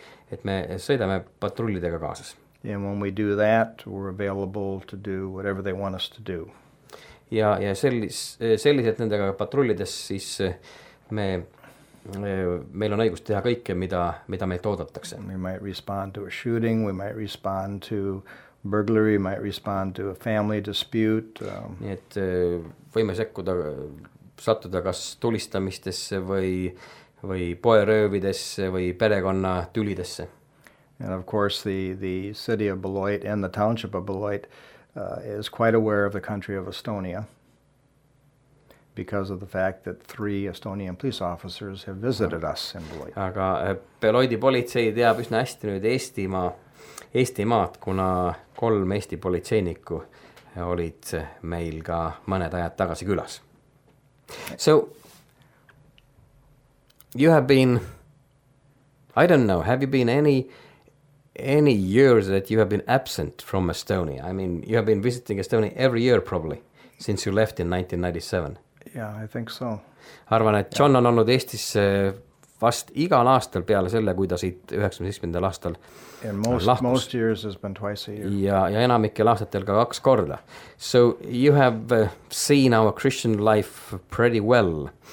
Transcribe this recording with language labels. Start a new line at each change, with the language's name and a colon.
Estonian: Et me sõidame patrullidega kaasas.
English: And when we do that, we're available to do whatever they want us to do.
Estonian: Ja selliselt nendega patrullides siis me meil on õigus teha kõike, mida meilt oodatakse.
English: We might respond to a shooting, we might respond to burglary, we might respond to a family dispute.
Estonian: Nii et võime sekkuda, sattuda kas tulistamistesse või poeröövidesse või perekonna tülidesse.
English: And of course the city of Beloit and the township of Beloit is quite aware of the country of Estonia. Because of the fact that 3 Estonian police officers have visited us in Beloit.
Estonian: Aga Beloidi politsei teab üsna hästi nüüd Eestimaad, kuna 3 Eesti politseiniku olid meil ka mõned ajad tagasi külas.
English: So, you have been, I don't know, have you been any years that you have been absent from Estonia? I mean, you have been visiting Estonia every year probably since you left in 1997. Yeah, I think so.
Estonian: Arvan, et John on olnud Eestis vast igal aastal peale selle, kui ta siit 97. aastal lahkus.
English: Most years has been twice a year.
Estonian: Ja enamikel aastatel ka 2 korda.
English: So you have seen our Christian life pretty well.